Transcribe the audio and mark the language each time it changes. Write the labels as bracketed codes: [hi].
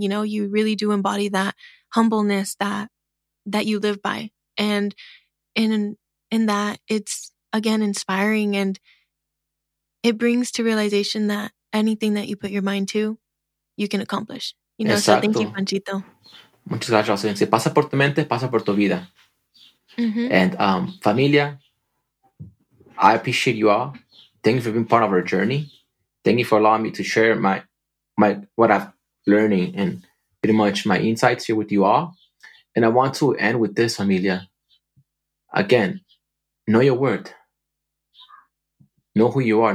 [en] You know, you really do embody that humbleness that you live by. And in that, it's, again, inspiring. And it brings to realization that anything that you put your mind to, you can accomplish. You know, exacto. So thank you, Panchito. [es] Muchas gracias, Jocelyn. Si pasa por tu mente, pasa por tu vida. [en] And familia, I appreciate you all. Thank you for being part of our journey. Thank you for allowing me to share my what I've learning and pretty much my insights here with you all. And I want to end with this, familia. Again, know your worth. Know who you are.